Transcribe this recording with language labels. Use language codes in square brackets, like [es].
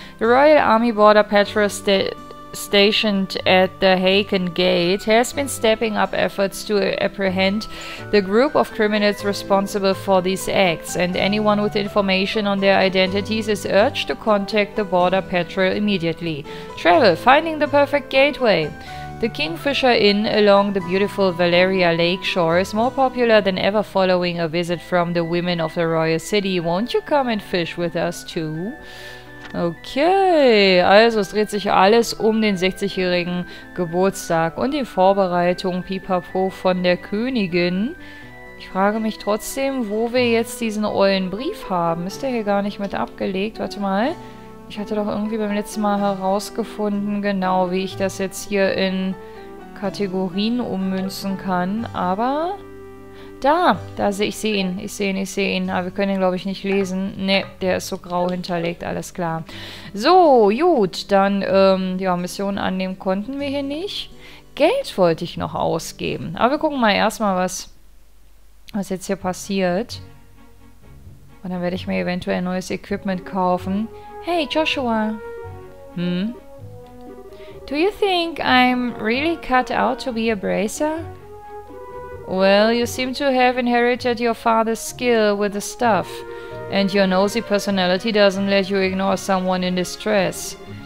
[en] The Royal Army Border Patrol stationed at the Haken Gate has been stepping up efforts to apprehend the group of criminals responsible for these acts, and anyone with information on their identities is urged to contact the Border Patrol immediately. Travel, finding the perfect gateway. The Kingfisher Inn along the beautiful Valeria Lakeshore is more popular than ever following a visit from the women of the Royal City. Won't you come and fish with us too? [de] Okay, also es dreht sich alles um den 60-jährigen Geburtstag und die Vorbereitung pipapo von der Königin. Ich frage mich trotzdem, wo wir jetzt diesen ollen Brief haben. Ist der hier gar nicht mit abgelegt? Warte mal. Ich hatte doch irgendwie beim letzten Mal herausgefunden, genau wie ich das jetzt hier in Kategorien ummünzen kann. Aber Da sehe ich ihn. Ich sehe ihn. Aber wir können ihn, glaube ich, nicht lesen. Ne, der ist so grau hinterlegt, alles klar. So, gut. Dann, ja, Missionen annehmen konnten wir hier nicht. Geld wollte ich noch ausgeben. Aber wir gucken mal erstmal, was jetzt hier passiert. Und dann werde ich mir eventuell neues Equipment kaufen. [en] Hey, Joshua. Hm? Do you think I'm really cut out to be a bracer? Well, you seem to have inherited your father's skill with the stuff, and your nosy personality doesn't let you ignore someone in distress.